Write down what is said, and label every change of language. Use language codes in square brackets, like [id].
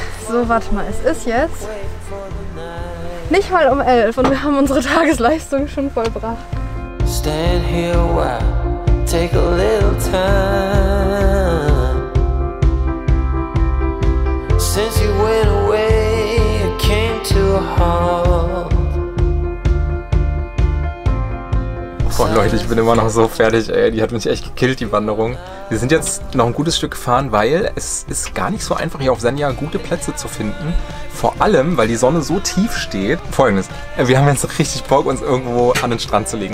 [de] So, warte mal, es ist jetzt nicht mal um 11 und wir haben unsere Tagesleistung schon vollbracht. [en] Stand here a while, take a little time. Since you went away, you came to a halt. [de] Boah, Leute, ich bin immer noch so fertig, ey. Die hat mich echt gekillt, die Wanderung. Wir sind jetzt noch ein gutes Stück gefahren, weil es ist gar nicht so einfach, hier auf Senja gute Plätze zu finden. Vor allem, weil die Sonne so tief steht. Folgendes, wir haben jetzt richtig Bock, uns irgendwo an den Strand zu legen.